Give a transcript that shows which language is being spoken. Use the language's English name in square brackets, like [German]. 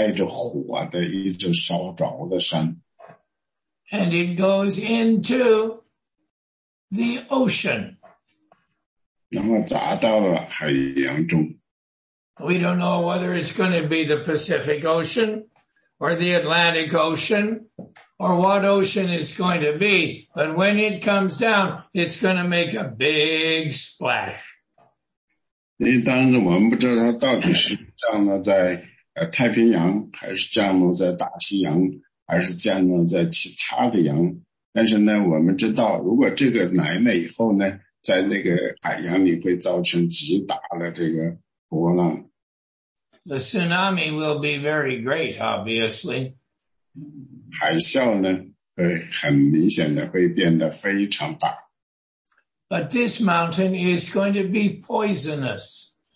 [Chinese] 这里呢，那个山是烧着的，它降下来的、掉下来的时候，不光是一座山，而是带着火的一座烧着的山。 [English] And it goes into the ocean. [Chinese] 然后砸到了海洋中。 [English] We don't know whether it's going to be the Pacific Ocean or the Atlantic Ocean or what ocean it's going to be, but when it comes down, it's going to make a big splash. [Chinese] 当然我们不知道它到底是降落在太平洋，还是降落在大西洋，还是降落在其他的洋。但是呢，我们知道，如果这个来了以后呢，在那个海洋里会造成极大的这个波浪。 [English] The tsunami will be very great, obviously. [Chinese] 海啸呢，会很明显的会变得非常大。 [English] But this mountain is going to be poisonous.